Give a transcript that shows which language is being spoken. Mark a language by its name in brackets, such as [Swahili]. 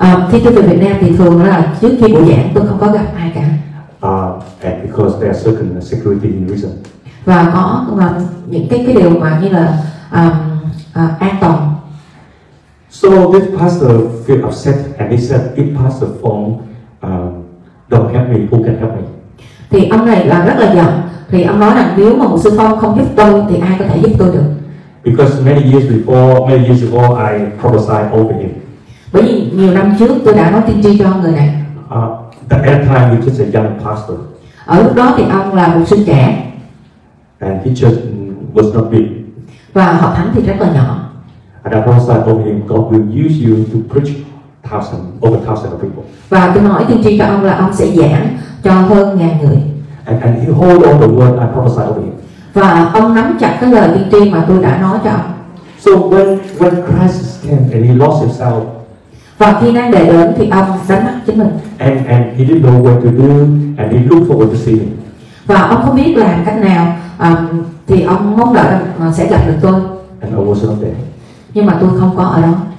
[Vietnamese] Khi tôi về Việt Nam thì thường là trước khi tôi giảng tôi không có gặp ai cả. [English] And because there are certain security reason. [Vietnamese] Và có những cái điều mà như là an toàn. [English] So this pastor feel upset and he said, "If pastor Phong don't help me, who can help me?" [Vietnamese] Thì ông này là rất là giận. Thì ông nói rằng nếu mà mục sư Phong không giúp tôi thì ai có thể giúp tôi được? [English] Because many years before I prophesied over him. [Vietnamese] Bởi vì nhiều năm trước tôi đã nói tiên tri cho người này. [English] At that time he was just a young pastor. [Vietnamese] Ở lúc đó thì ông là mục sư trẻ. [English] And he just was not big. [Vietnamese] Và học thánh thì rất là nhỏ. [English] And I prophesied over him, God will use you to preach over thousands of people. [Vietnamese] Và tôi nói tiên tri cho ông là ông sẽ giảng cho hơn ngàn người. [English] And he hold on the word I prophesied over him. [Vietnamese] Và ông nắm chặt cái lời tiên tri mà tôi đã nói cho ông. [English] So when crisis came and he lost himself. [Vietnamese] Và khi đang đề đến thì ông đánh mất chính mình. [English] And he didn't know what to do and he looked forward to see him. [Vietnamese] Và ông không biết làm cách nào thì ông mong đợi sẽ gặp được tôi. [English] And I was not there. [Vietnamese] Nhưng mà tôi không có ở đó.